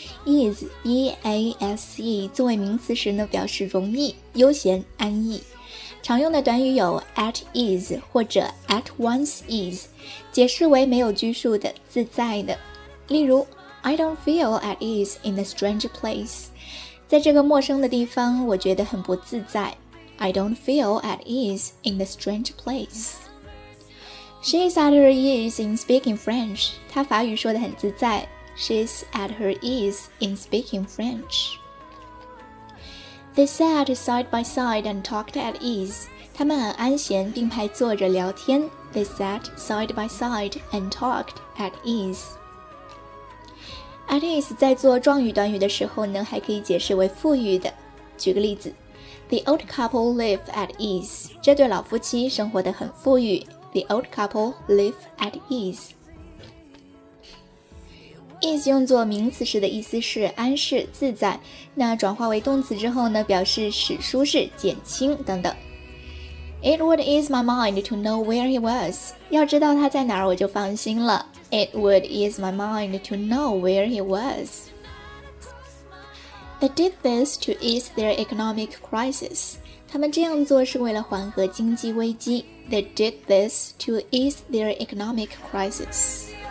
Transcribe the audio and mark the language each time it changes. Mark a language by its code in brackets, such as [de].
[zh] Ease, E-A-S-E, 作为名词时呢表示容易、悠闲、安逸。常用的短语有 at ease 或者 at one's ease, 解释为没有拘束的、自在的。 [en] 例如 I don't feel at ease in a strange place. [zh] 在这个陌生的地方我觉得很不自在。 [en] I don't feel at ease in a strange place. She is at her ease in speaking French. [zh] 她法语说得很自在。 [en] She's at her ease in speaking French. They sat side by side and talked at ease. [zh] 他们很安闲并排坐着聊天。 [en] They sat side by side and talked at ease. [zh] At ease 在做状语短语的时候呢还可以解释为富裕的。举个例子。 [en] The old couple live at ease. [zh] 这对老夫妻生活得很富裕。 [en] The old couple live at ease. [zh] Ease 用作名词时的意思是安适、自在，那转化为动词之后呢，表示使舒适、减轻等等。 [en] It would ease my mind to know where he was. [zh] 要知道他在哪儿，我就放心了。 [en] It would ease my mind to know where he was. They did this to ease their economic crisis. [zh] 他们这样做是为了缓和经济危机。 [en] They did this to ease their economic crisis.